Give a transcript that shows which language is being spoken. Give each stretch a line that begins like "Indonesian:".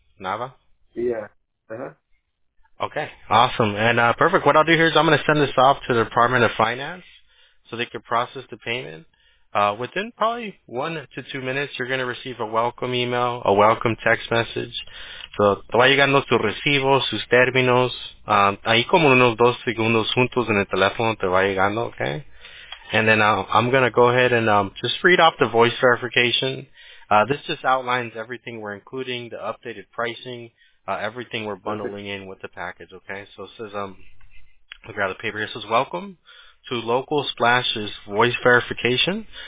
English: Nava. Yeah. Okay, awesome. And perfect. What I'll do here is I'm going to send this off to the Department of Finance so they can process the payment. Within probably 1 to 2 minutes, you're going to receive a welcome email, a welcome text message.
Spanish: So, te va llegando tu recibo, sus términos. Ahí como unos 2 segundos juntos en el teléfono te va llegando, okay?
English: And then I'm going to go ahead and just read off the voice verification. This just outlines everything we're including, the updated pricing, everything we're bundling in with the package, okay? So it says, I'll grab the paper here. It says, welcome to Local Splash's voice verification.